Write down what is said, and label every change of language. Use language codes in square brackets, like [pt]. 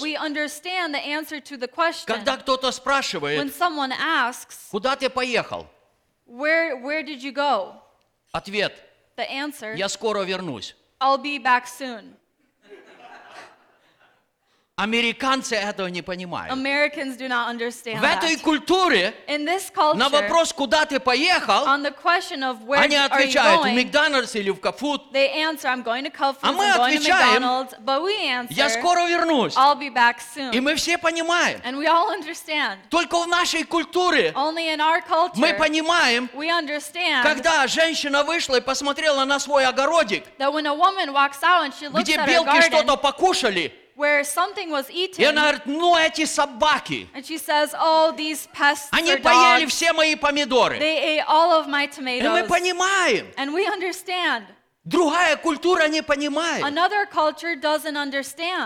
[en] We understand the answer to the question. [ru] Когда кто-то спрашивает, [en] when someone asks, [ru] куда ты поехал? [en] Where did you go? [ru] Ответ. [en] The answer. [ru] Я скоро вернусь. [en] I'll be back soon. [ru] Американцы этого не понимают. [en] Americans do not understand [ru] в этой культуре [en] culture, [ru] на вопрос, куда ты поехал, [en] on the question of where [ru] они отвечают, [en] going, [ru] в Макдональдс или в Кафуд. [en] They answer, I'm going to Kofu's, [ru] а мы отвечаем, [en] but we answer, [ru] я скоро вернусь. [en] I'll be back soon. [ru] И мы все понимаем. [en] And we all understand. [ru] Только в нашей культуре [en] only in our culture, [ru] мы понимаем, [en] we understand, [ru] когда женщина вышла и посмотрела на свой огородик, [en] that when a woman walks out and she looks [ru] где [en] at [ru] белки [en] garden, [ru] что-то покушали, [en] where something was eaten. [ru] Она говорит, ну, эти собаки. [en] And she says, oh, these pests are dogs. [ru] Они поели все мои помидоры. [en] They ate all of my tomatoes. [ru] И мы понимаем. [en] And we understand. [ru] Другая культура не понимает. [en] Another culture doesn't understand.